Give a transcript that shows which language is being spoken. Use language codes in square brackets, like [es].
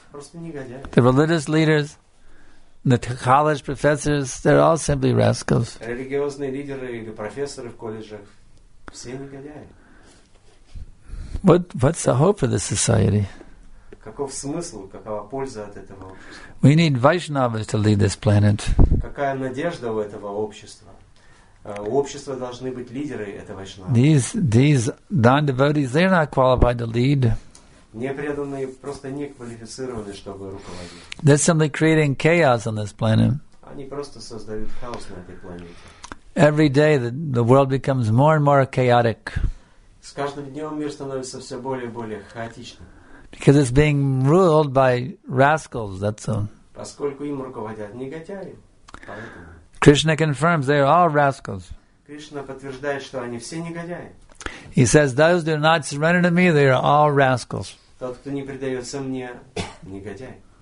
[en] The religious leaders, the college professors, they're all simply rascals. [ru] Религиозные лидеры или профессоры в колледжах, все негодяи. [en] What's the hope of this society? [ru] Каков смысл, какова польза от этого общества? [en] We need Vaishnavas to lead this planet. [ru] Какая надежда у этого общества? У общества должны быть лидеры этого Vaishnavas. [en] These non-devotees, they're not qualified to lead. [ru] Непреданные просто не квалифицированы, чтобы руководить. [en] They're simply creating chaos on this planet. [ru] Они просто создают хаос на этой планете. [en] Every day the world becomes more and more chaotic. [ru] С каждым днем мир становится все более и более хаотичным. [en] Because it's being ruled by rascals, that's all. [ru] Поскольку им руководят негодяи. [en] Krishna confirms they are all rascals. [ru] Кришна подтверждает, что они все негодяи. [en] He says, those who do not surrender to me, they are all rascals. [ru] Тот, кто не предается мне, негодяй.